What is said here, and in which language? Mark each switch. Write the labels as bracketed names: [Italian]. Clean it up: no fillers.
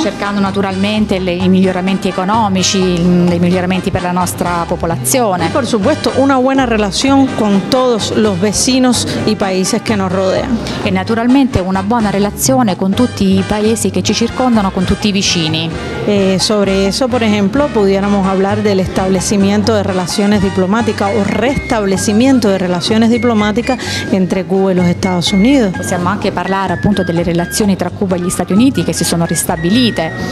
[Italian] Cercando naturalmente i miglioramenti economici, i miglioramenti per la nostra popolazione. E per [Spanish] supuesto [Italian] una buona relazione con tutti i vicini e i paesi che [Spanish] nos rodean. [Italian] E naturalmente una buona relazione con tutti i paesi che ci circondano, con tutti i vicini. [Spanish] E sobre eso, por ejemplo, pudiéramos hablar del establecimiento de relaciones diplomáticas o restablecimiento de relaciones diplomáticas entre Cuba y los Estados Unidos. [Italian] Possiamo anche parlare appunto delle relazioni tra Cuba e gli Stati Uniti che si sono ristabilite.